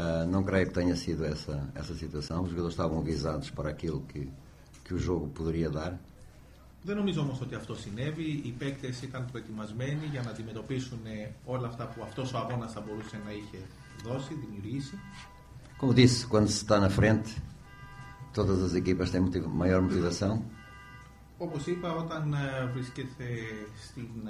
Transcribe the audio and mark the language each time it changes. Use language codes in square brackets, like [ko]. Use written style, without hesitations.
[pt] Não creio que tenha sido essa situação. Os jogadores estavam avisados para aquilo que o jogo poderia dar. [el] Δεν νομίζω όμως ότι αυτό συνέβη. Οι παίκτες ήταν προετοιμασμένοι για να αντιμετωπίσουν όλα αυτά που αυτός ο αγώνας θα μπορούσε να είχε δώσει, δημιουργήσει. [pt] Como disse, quando se está na frente, todas as equipas têm maior motivação? [el] Όπως είπα, όταν βρίσκεται στην...